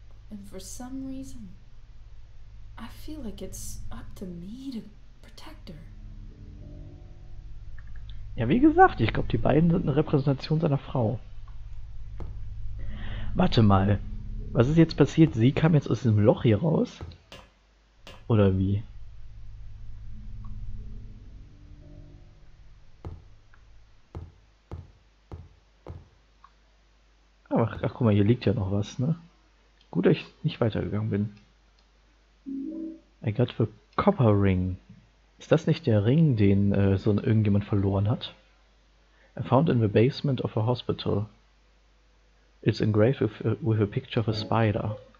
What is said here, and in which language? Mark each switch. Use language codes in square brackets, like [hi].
[en] And for some reason, I feel like it's up to me to protect her. [de] Ja, wie gesagt, ich glaube, die beiden sind eine Repräsentation seiner Frau. Warte mal. Was ist jetzt passiert? Sie kam jetzt aus diesem Loch hier raus? Oder wie? Ach, guck mal, hier liegt ja noch was, ne? Gut, dass ich nicht weitergegangen bin. [en] I got the copper ring. [de] Ist das nicht der Ring, den so irgendjemand verloren hat? [en] I found in the basement of a hospital. It's engraved with a picture of a spider.